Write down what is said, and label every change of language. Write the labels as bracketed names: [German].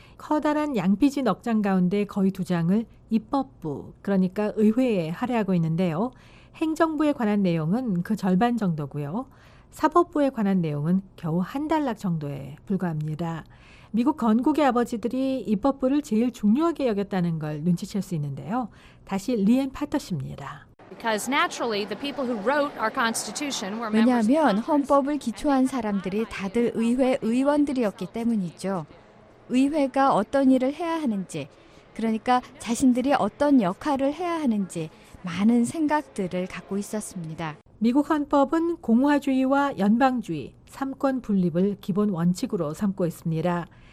[Korean] 커다란 양피지 넉장 가운데 거의 두 장을 입법부, 그러니까 의회에 할애하고 있는데요. 행정부에 관한 내용은 그 절반 정도고요. 사법부에 관한 내용은 겨우 한 단락 정도에 불과합니다. 미국 건국의 아버지들이 입법부를 제일 중요하게 여겼다는 걸 눈치챌 수 있는데요. 다시 리앤 파터 씨입니다. [English] Because naturally, the people who wrote our constitution were [Korean] 왜냐하면 헌법을 기초한 사람들이 다들 의회 의원들이었기 때문이죠. 의회가 어떤 일을 해야 하는지, 그러니까 자신들이 어떤 역할을 해야 하는지 많은 생각들을 갖고 있었습니다. 미국 헌법은 공화주의와 연방주의, 삼권 분립을 기본 원칙으로 삼고 있습니다.